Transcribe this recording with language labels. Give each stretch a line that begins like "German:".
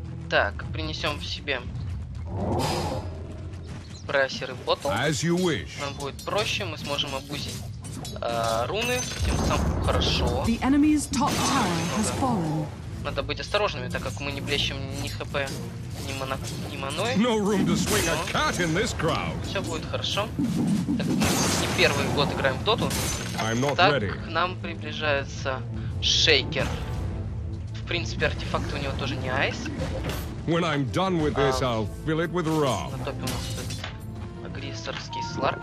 Russian: Так, принесем в себе брейсер и ботл.
English: As you wish.
Russian: Нам будет проще, мы сможем обузить руны, тем самым хорошо.
English: The enemy's top tower has fallen.
Russian: Надо быть осторожными, так как мы не блещем ни хп, ни мана, ни маной.
English: No room to swing a cat in this crowd.
Russian: Все будет хорошо. Так, мы не первый год играем в доту.
English: I'm not
Russian: так,
English: ready.
Russian: К нам приближается шейкер. В принципе, артефакты у него тоже не айс.
English: When I'm done with this, I'll fill it with rum.
Russian: На топе у нас этот агрессорский сларк.